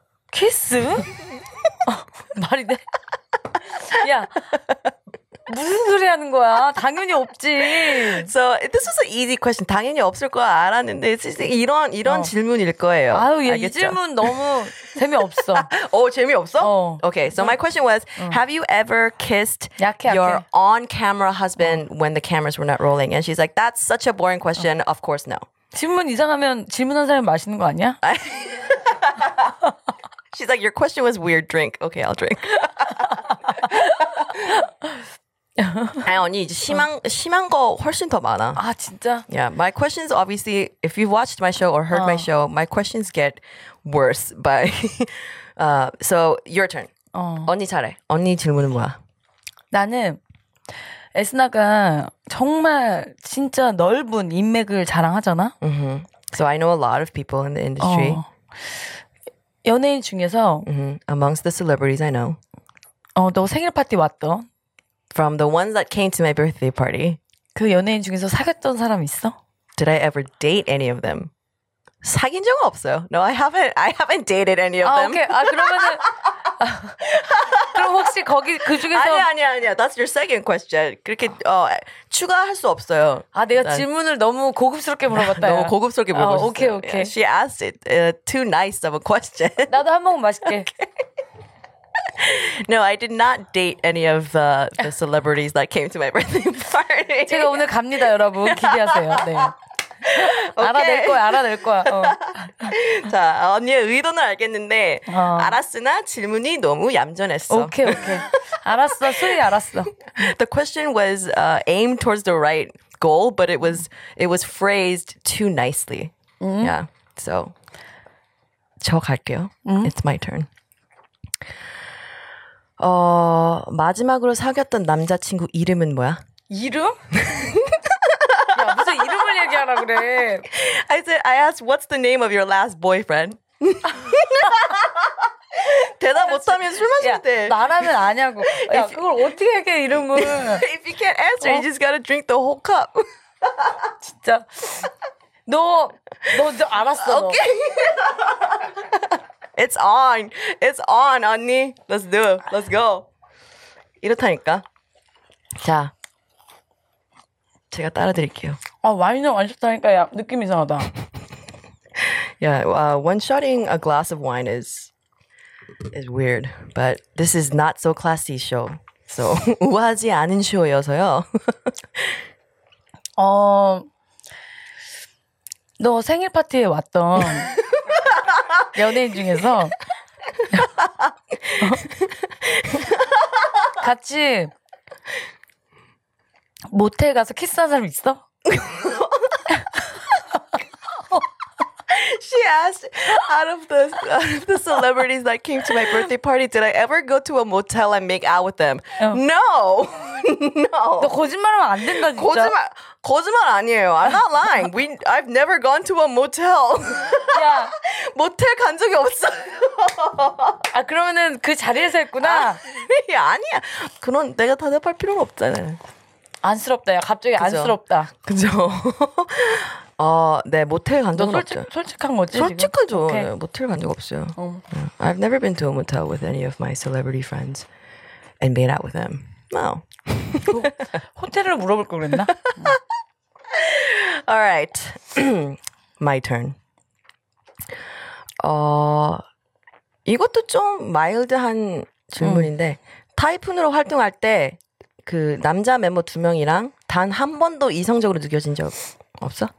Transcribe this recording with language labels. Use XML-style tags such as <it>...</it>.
<ko>키스? 말이 돼? 야, 무슨 소리 하는 거야? 당연히 없지.</ko> <en>So this was an easy question.</en> <ko>당연히 없을 거 알았는데 이런 질문일 거예요. 아유, 야, 이 질문 너무 재미없어. 재미없어?</ko> <en>Okay, so my question was, have you ever kissed your on-camera husband when the cameras were not rolling? And she's like, that's such a boring question. Of course, no.</en> <ko>질문 이상하면 질문한 사람이 마시는 거 아니야?</ko> <en>She's like, your question was weird. Drink. Okay, I'll drink.</en> <ko>아니, 언니, 이제 심한 거 훨씬 더 많아. 아, 진짜?</ko> <en>Yeah, my questions, obviously, if you've watched my show or heard my show, my questions get worse. But, so, your turn.</en> <ko>언니 잘해. 언니 질문은 뭐야? 나는 에스나가 정말 진짜 넓은 인맥을 자랑하잖아?</ko> <en>So, I know a lot of people in the industry.</en> <ko>연예인 중에서</ko> <en>amongst the celebrities I know.</en> <ko>너 생일 파티 왔어?</ko> <en>From the ones that came to my birthday party.</en> <ko>그 연예인 중에서 사귀었던 사람 있어?</ko> <en>Did I ever date any of them?</en> <ko>사귄 적 없어.</ko> <en>No, I haven't dated any of them.</en> <ko>아, 오케이. 아, 그러면은 그럼 혹시 거기 그 중에서 아니야.</ko> <en>That's your second question.</en> <ko>그렇게 추가할 수 없어요. 아, 내가 질문을 너무 고급스럽게 물어봤다. 너무 고급스럽게 물어봤어. 오케이, 오케이.</ko> <en>She asked it too nice of a question.</en> <ko>나도 한 모금 마실게.</ko> <en>No, I did not date any of the celebrities that came to my birthday party.</en> <ko>제가 오늘 갑니다, 여러분. 기대하세요. 네. 알아낼 거야, 알아낼 거야. 자, 언니의 의도는 알겠는데 알았으나 질문이 너무 얌전했어. 오케이, 오케이. 알았어, 수리 알았어.</ko> <en>The question was aimed towards the right goal, but it was phrased too nicely. Mm-hmm. Yeah. So</en> <ko>저 갈게요.</ko> <en>Mm-hmm. It's my turn.</en> <ko>어, 마지막으로 사귀었던 남자친구 이름은 뭐야? 이름? 야, 무슨 이름을 얘기하라 그래.</ko> <en>I said, I asked, what's the name of your last boyfriend?</en> <ko>대답 못하면 술 마시면 돼. 나라면 아냐고. 야, 그걸 어떻게 할게, 이름은.</ko> <en>If you can't answer, 어? you just gotta drink the whole cup.</en> <ko>진짜. 너 알았어, 너.</ko> <en>Okay. It's on. It's on, 언니. Let's do it. Let's go.</en> <ko>이렇다니까. 자. 제가 따라 드릴게요. 아, 와인을 마셨다니까. 야, 느낌 이상하다.</ko> <en>Yeah, one shotting a glass of wine is weird, but this is not so classy show.</en> <ko>So, 우아하지 않은 쇼여서요. 어, 너 생일 파티에 왔던 연예인 중에서 같이 모텔 가서 키스한 사람 있어?</ko> <en>She asked, out of the celebrities that came to my birthday party, did I ever go to a motel and make out with them? 응. No! No!</en> <ko>너 거짓말하면 안 된다, 진짜. 거짓말 아니에요.</ko> <en>I'm not lying. I've never gone to a motel. 야.</en> <ko>모텔 간 적이 없어요. 아, 그러면은 그 자리에서 했구나? 아, 아니야. 그건 내가 다 대답할 필요는 없잖아. 안쓰럽다. 야, 갑자기 그죠? 안쓰럽다. 그죠? 어, 네, 모텔 간 적 없죠. 솔직한 거지? 솔직하죠. 네, 모텔 간 적 없어요. 어.</ko> <en>I've never been to a motel with any of my celebrity friends and made out with them. No. 그,</en> <ko>호텔을 물어볼 걸 그랬나?</ko> <en>Alright. My turn.</en> <ko>어, 이것도 좀 마일드한 질문인데 타이푼으로 활동할 때 그 남자 멤버 두 명이랑 단 한 번도 이성적으로 느껴진 적 없어?</ko>